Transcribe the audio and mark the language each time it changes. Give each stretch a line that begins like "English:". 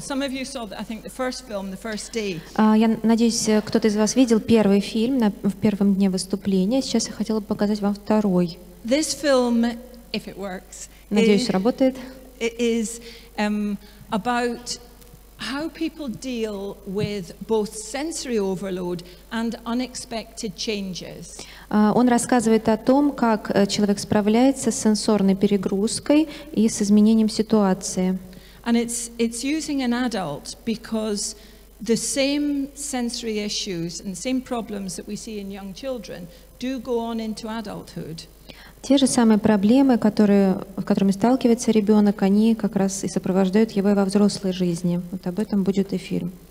English: Some of you saw, I think, the first film, the first day.
Russian: Я надеюсь, кто-то из вас видел первый фильм в первом дне выступления. Сейчас я хотела бы показать вам второй.
English: This film, if it works,
Russian: надеюсь, работает.
English: It is about how people deal with both sensory overload and unexpected changes.
Russian: Он рассказывает о том, как человек справляется с сенсорной перегрузкой и с изменением ситуации.
English: And it's using an adult because the same sensory issues and the same problems that we see in young children do go on into adulthood.
Russian: Те же самые проблемы, с которыми сталкивается ребенок, они как раз и сопровождают его во взрослой жизни. Вот об этом будет и фильм.